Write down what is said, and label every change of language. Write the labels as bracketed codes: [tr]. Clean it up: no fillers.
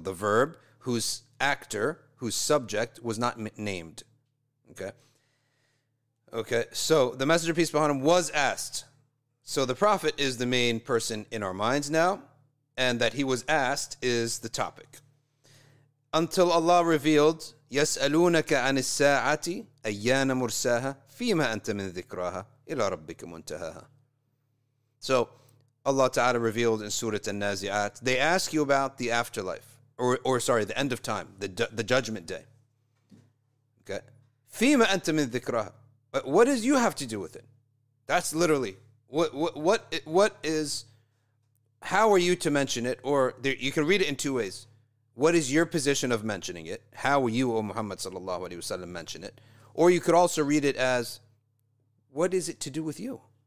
[en] The verb whose actor, whose subject was not named. Okay. Okay. So the Messenger, peace be upon him, was asked. So the Prophet is the main person in our minds now, and that he was asked is the topic. Until Allah revealed, [ar] يَسْأَلُونَكَ عَنِ السَّاعَةِ أَيَّانَ مُرْسَاهَا فِيمَا أَنْتَ مِنْ ذِكْرَاهَا إِلَى رَبِّكَ مُنْتَهَاهَا. [en] So Allah Ta'ala revealed in Surat An Naziat, they ask you about the afterlife. Or sorry, the end of time, the judgment day. [ar] Okay, فِيمَ أَنْتَ مِنْ ذِكْرَهَا. [en] But what does you have to do with it? That's literally what is. How are you to mention it? Or there, you can read it in two ways. What is your position of mentioning it? How will you, O Muhammad sallallahu alaihi wasallam, mention it? Or you could also read it as, what is it to do with you?